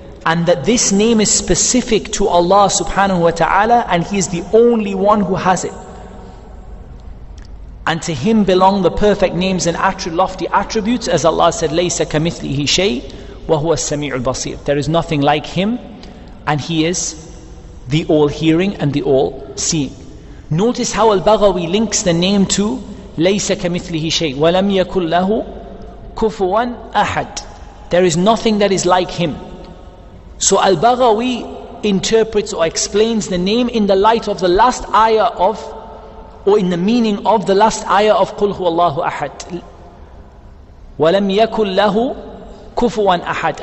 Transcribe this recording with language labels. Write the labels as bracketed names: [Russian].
[English] And that this name is specific to Allah subhanahu wa ta'ala, and He is the only one who has it. And to Him belong the perfect names and lofty attributes, as Allah said, [Arabic] لَيْسَ كَمِثْلِهِ شَيْءٍ وَهُوَ السَّمِيعُ الْبَصِيرُ. [English] There is nothing like Him, and He is the all-hearing and the all-seeing. Notice how Al-Baghawi links the name to [Arabic] لَيْسَ كَمِثْلِهِ شَيْءٍ وَلَمْ يَكُلْ لَهُ كُفُوًا أَحَدٍ. [English] There is nothing that is like Him. So Al-Baghawi interprets or explains the name in the light of the last ayah of, or in the meaning of the last ayah of [Arabic] قُلْ هُوَ اللَّهُ أَحَدٍ وَلَمْ يَكُلْ لَهُ كُفُوًا أَحَدٍ.